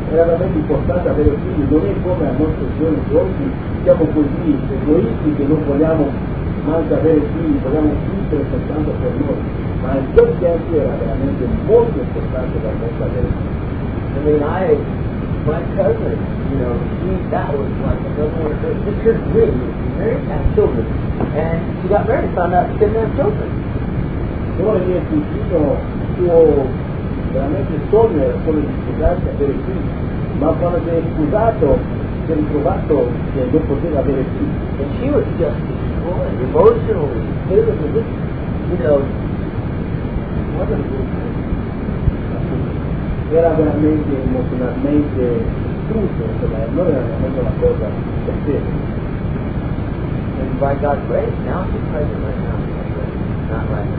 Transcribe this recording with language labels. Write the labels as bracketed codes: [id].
[it] Era veramente importante avere figli, non è come a nostro giorno oggi, siamo così egoisti che non vogliamo neanche avere figli, vogliamo vivere soltanto per noi. Ma in quel tempo era veramente molto importante per noi avere figli. [en] My cousin, you know, that was like a cousin. She couldn't really. She was married, had children. And she got married and found out she didn't have children. So, I mean, you know, [it] veramente sogno era quello di sposarsi e avere figli, ma quando si è sposato si è ritrovato che non poteva avere figli. [en] E she was just destroyed emotionally, physically, you know, wasn't [it] era veramente emotionalmente distrutto, insomma, non era veramente una cosa per sé. [en] And by God's grace, now she's pregnant right now,